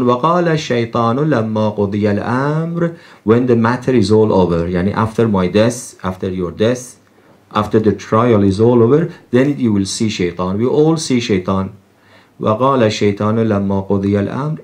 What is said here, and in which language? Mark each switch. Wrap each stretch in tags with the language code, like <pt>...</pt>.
<ar>وقال الشيطان لما قضي الأمر.</ar> <en>When the matter is all over. يعني after my death, after your death, after the trial is all over, then you will see Shaitan. We all see Shaitan.</en> <ar>وقال الشيطان لما قضي الأمر.</ar>